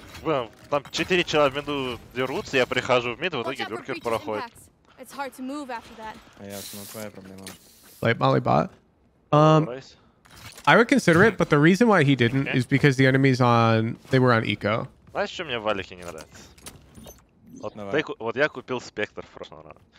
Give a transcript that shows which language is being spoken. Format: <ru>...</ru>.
<ru>Блин, там 4 человека в миду дерутся, я прихожу в мид, в итоге люркер проходит.</ru> <en>It's hard to move after that.</en> <ru>Ясно, твоя проблема.</ru> <en>Late Molly bot. I would consider it, but the reason why he didn't is because the enemies on they were on eco.</en> <ru>Знаешь, что мне в Валике не нравится? Вот, ты, вот я купил Спектр в прошлом раунде.</ru>